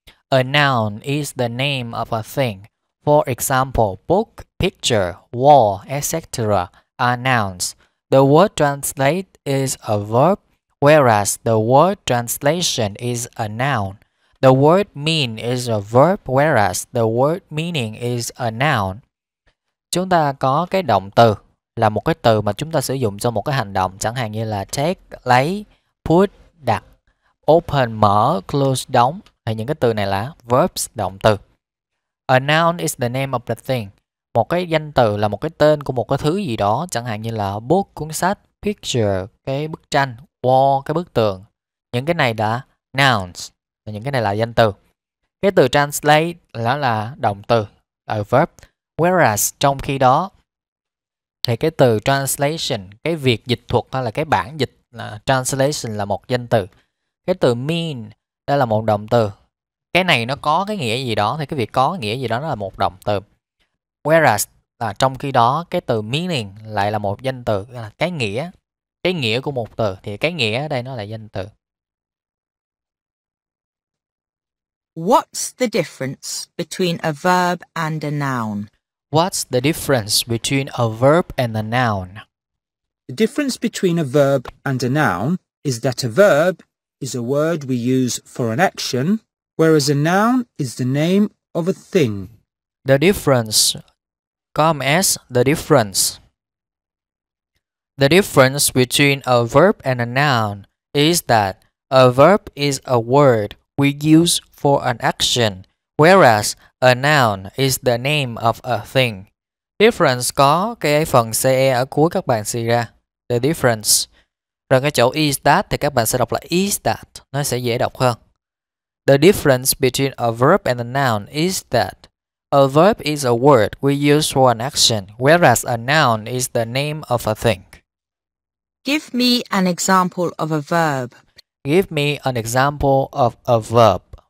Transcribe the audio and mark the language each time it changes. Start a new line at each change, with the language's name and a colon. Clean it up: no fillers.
English: A noun is the name of a thing. For example, book, picture, wall, etc. are nouns. The word translate is a verb, whereas the word translation is a noun. The word mean is a verb, whereas the word meaning is a noun.
Vietnamese: Chúng ta có cái động từ. Là một cái từ mà chúng ta sử dụng cho một cái hành động, chẳng hạn như là take, lấy, put, đặt, open, mở, close, đóng. Thì những cái từ này là verbs, động từ.
English: A noun is the name of the thing.
Vietnamese: Một cái danh từ là một cái tên của một cái thứ gì đó, chẳng hạn như là book, cuốn sách, picture, cái bức tranh, wall, cái bức tường. Những cái này là nouns, những cái này là danh từ. Cái từ translate là động từ, a verb. Whereas, trong khi đó, thì cái từ translation, cái việc dịch thuật hay là cái bản dịch là translation là một danh từ. Cái từ mean, đây là một động từ. Cái này nó có cái nghĩa gì đó, thì cái việc có nghĩa gì đó nó là một động từ. Whereas, là trong khi đó, cái từ meaning lại là một danh từ, là cái nghĩa. Cái nghĩa của một từ, thì cái nghĩa ở đây nó là danh từ.
English: What's the difference between a verb and a noun? What's the difference between a verb and a noun? The difference between a verb and a noun is that a verb is a word we use for an action, whereas a noun is the name of a thing. The difference, come as the difference. The difference between a verb and a noun is that a verb is a word we use for an action, whereas a noun is the name of a thing.
Vietnamese: Difference có cái phần CE ở cuối các bạn suy ra. The difference. Rồi cái chỗ is that thì các bạn sẽ đọc là is that. Nó sẽ dễ đọc hơn.
English: The difference between a verb and a noun is that a verb is a word we use for an action, whereas a noun is the name of a thing. Give me an example of a verb. Give me an example of a verb.